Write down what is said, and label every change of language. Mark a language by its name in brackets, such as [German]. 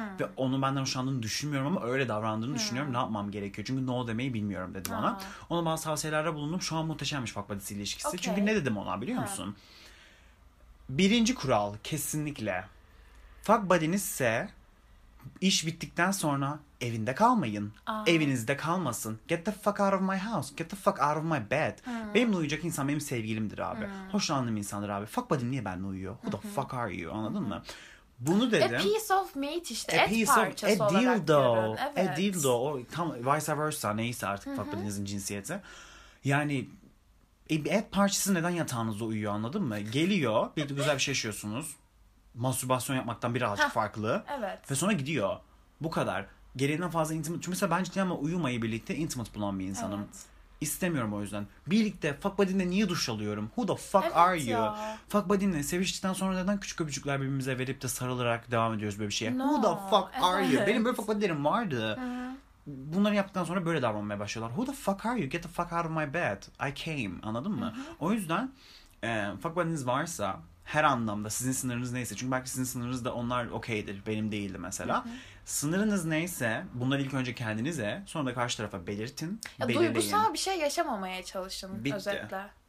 [Turkish] Ve onun benden hoşlandığını düşünmüyorum ama öyle davrandığını düşünüyorum. Ne yapmam gerekiyor? Çünkü no demeyi bilmiyorum dedi bana. Ona bazı tavsiyelerde bulundum. Şu an muhteşemmiş fuck buddy'si ilişkisi. Okay. Çünkü ne dedim ona biliyor musun? Birinci kural kesinlikle. Fuck buddy'nizse iş bittikten sonra evinde kalmayın. Evinizde kalmasın. [English] Get the fuck out of my house. Get the fuck out of my bed. [Turkish] Benimle uyuyacak insan benim sevgilimdir abi. Hoşlandığım insandır abi. Fuck buddy niye benimle uyuyor? [English] Who the fuck are you? [Turkish] Anladın mı? Bunu dedim. [English] A piece of meat işte. A piece of a dildo. Evet. A dildo. O, tam vice versa. [Turkish] Neyse artık fuck buddy'nizin cinsiyeti. Yani et parçası neden yatağınızda uyuyor, anladın mı? Geliyor. Bir güzel bir şey yaşıyorsunuz. Mastürbasyon yapmaktan birazcık farklı. Evet. Ve sonra gidiyor. Bu kadar. Gereğinden fazla intimate. Çünkü mesela ben ciddi ama uyumayı birlikte intimate bulan bir insanım. Evet. İstemiyorum o yüzden. Birlikte fuck buddy'ne niye duş alıyorum? [English] Who the fuck evet are you? Ya. [Turkish] Fuck buddy'ne seviştikten sonra neden küçük öpücükler birbirimize verip de sarılarak devam ediyoruz böyle bir şeye? [English] No. Who the fuck evet are you? [Turkish] Benim böyle fuck buddy'lerim vardı. Bunları yaptıktan sonra böyle davranmaya başlıyorlar. [English] Who the fuck are you? Get the fuck out of my bed. I came. [Turkish] Anladın mı? O yüzden fuck buddy'niz varsa... Her anlamda sizin sınırınız neyse. Çünkü belki sizin sınırınız da onlar okeydir. Benim değildi mesela. Sınırınız neyse bunları ilk önce kendinize, sonra da karşı tarafa belirtin. Ya belirleyin. Duygusal bir şey yaşamamaya çalışın. Bitti. Özetle.